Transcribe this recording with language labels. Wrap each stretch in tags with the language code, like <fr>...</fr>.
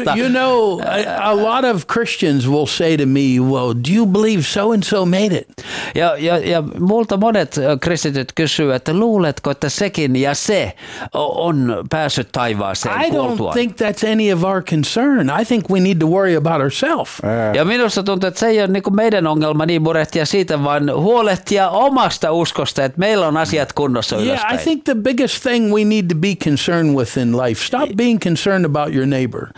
<en>You know, a lot of Christians will say to me, well, do you believe so-and-so made it?</en> <fi>Ja multa monet kristityt kysyy, että luuletko, että sekin ja se on päässyt taivaaseen kuoltua?</fi> <en>I don't think that's any of our concern. I think we need to worry about ourselves.</en> <fi>Ja minusta tuntuu, että se ei ole niin kuin meidän ongelma niin murehtia siitä, vaan huolehtia omasta uskosta, että meillä on asiat kunnossa ylöspäin.</fi> <en>Yeah, I think the biggest thing we need to be concerned with in life, stop being concerned about your neighbor.</en>